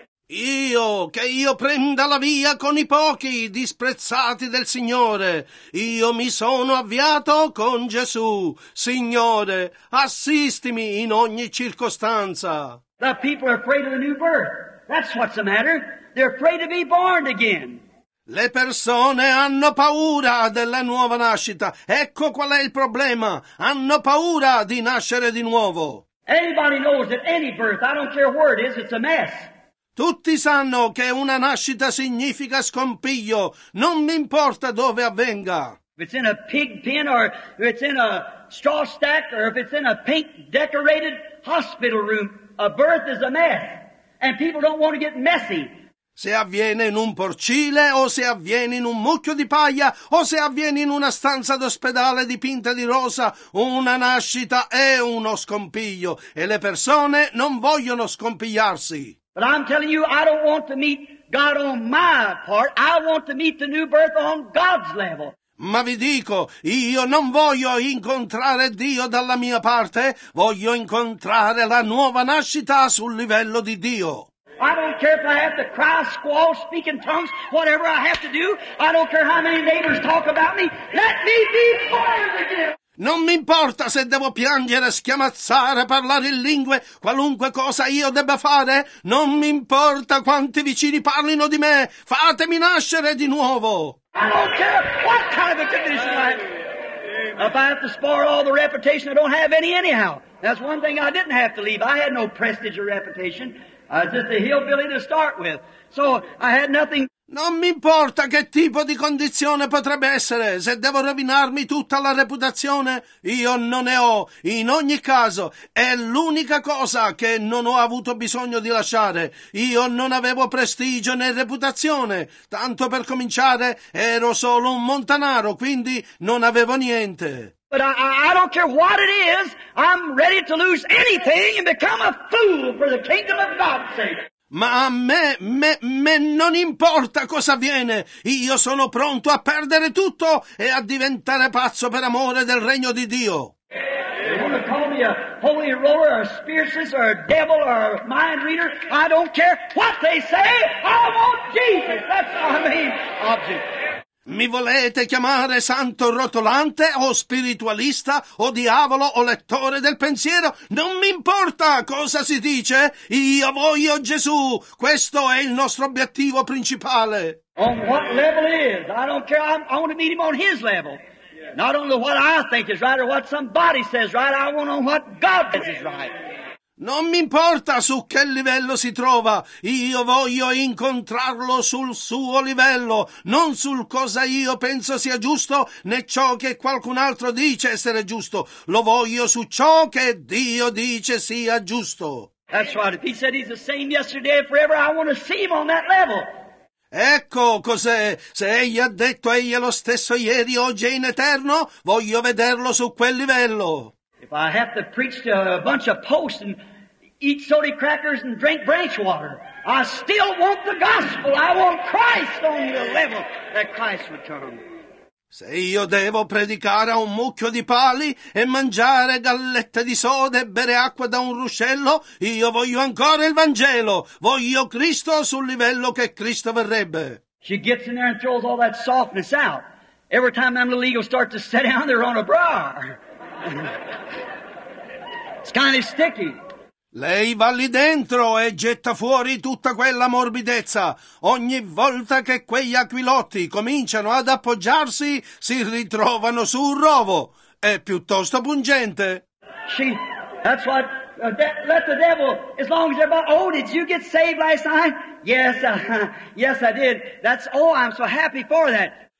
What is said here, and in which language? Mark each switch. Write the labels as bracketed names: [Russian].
[Italian] Io, che io prenda la via con i pochi disprezzati del Signore. Io mi sono avviato con Gesù. Signore, assistimi in ogni circostanza. [English] The people are afraid of the new birth. That's what's the matter. They're afraid to be born again. [Italian] Le persone hanno paura della nuova nascita. Ecco qual è il problema. Hanno paura di nascere di nuovo. [English] Anybody knows that any birth, I don't care where it is, it's a mess. [Italian] Tutti sanno che una nascita significa scompiglio. Non mi importa dove avvenga. [English] If it's in a pig pen, or if it's in a straw stack, or if it's in a pink decorated hospital room, a birth is a mess. And people don't want to get messy. [Italian] Se avviene in un porcile, o se avviene in un mucchio di paglia, o se avviene in una stanza d'ospedale dipinta di rosa, una nascita è uno scompiglio, e le persone non vogliono scompigliarsi. [English] But I'm telling you, I don't want to meet God on my part, I want to meet the new birth on God's level. [Italian] Ma vi dico, io non voglio incontrare Dio dalla mia parte, voglio incontrare la nuova nascita sul livello di Dio. [English] I don't care if I have to cry, squall, speak in tongues, whatever I have to do. I don't care how many neighbors talk about me. Let me be born again. [Italian] Non mi importa se devo piangere, schiamazzare, parlare in lingue, qualunque cosa io debba fare. Non mi importa quanti vicini parlino di me. Fatemi nascere di nuovo. [English] I don't care what kind of a condition I have. If I have to spar all the reputation, I don't have any anyhow. That's one thing I didn't have to leave. I had no prestige or reputation. I was just a hillbilly to start with. So I had nothing. [Italian] Non mi importa che tipo di condizione potrebbe essere, se devo rovinarmi tutta la reputazione, io non ne ho. In ogni caso, è l'unica cosa che non ho avuto bisogno di lasciare. Io non avevo prestigio né reputazione. Tanto per cominciare, ero solo un montanaro, quindi non avevo niente. [English] But I don't care what it is, I'm ready to lose anything and become a fool for the kingdom of God's sake. [Italian] Ma a me non importa cosa avviene, io sono pronto a perdere tutto e a diventare pazzo per amore del regno di Dio. [English] They want to call me a holy roller, a spiritist, or a devil, or a mind reader. I don't care what they say, I want Jesus, that's my main object. [Italian] Mi volete chiamare santo rotolante, o spiritualista, o diavolo, o lettore del pensiero? Non mi importa cosa si dice, io voglio Gesù, questo è il nostro obiettivo principale. [English] On what level is, I don't care, I want to meet him on his level. Not only what I think is right, or what somebody says right, I want to know what God thinks is right. [Italian] Non mi importa su che livello si trova, io voglio incontrarlo sul suo livello, non sul cosa io penso sia giusto, né ciò che qualcun altro dice essere giusto. Lo voglio su ciò che Dio dice sia giusto. [English] That's right. If he said he's the same yesterday and forever, I want to see him on that level. [Italian] Ecco cos'è. Se egli ha detto egli è lo stesso ieri, oggi e in eterno, voglio vederlo su quel livello. [English] If I have to preach to a bunch of posts and eat soda crackers and drink branch water, I still want the gospel. I want Christ on the level that Christ would come. [Italian] Se io devo predicare a un mucchio di pali e mangiare gallette di soda e bere acqua da un ruscello, io voglio ancora il Vangelo. Voglio Cristo sul livello che Cristo verrebbe. [English] She gets in there and throws all that softness out. Every time them little eagles start to sit down, they're on a bra. It's kind of sticky. [Italian] Lei va lì dentro e getta fuori tutta quella morbidezza. Ogni volta che quegli aquilotti cominciano ad appoggiarsi, si ritrovano su un rovo. È piuttosto pungente. [English] She, that's what let the devil, as long as everybody, oh, did you get saved last night? Yes, yes I did. That's, oh, I'm so happy for that.